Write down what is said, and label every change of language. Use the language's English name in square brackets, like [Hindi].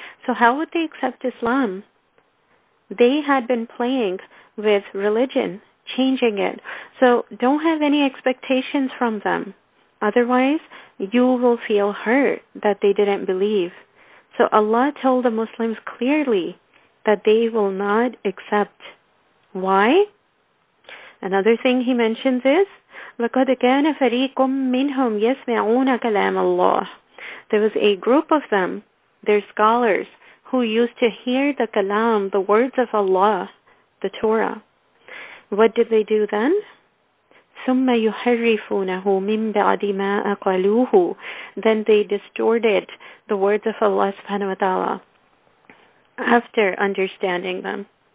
[English] So how would they accept Islam? They had been playing with religion, changing it. So don't have any expectations from them. Otherwise, you will feel hurt that they didn't believe. So Allah told the Muslims clearly that they will not accept. Why? Another thing he mentions is, [Arabic] لَقَدْ كَانَ فَرِيقٌ مِّنْهُمْ يَسْمِعُونَ كَلَامَ اللَّهِ. [English] There was a group of them, their scholars, who used to hear the kalam, the words of Allah, the Torah. What did they do then? [Arabic] ثُمَّ يُحَرِّفُونَهُ مِنْ بَعْدِ مَا أَقَلُوهُ. [English] Then they distorted the words of Allah subhanahu wa ta'ala after understanding them.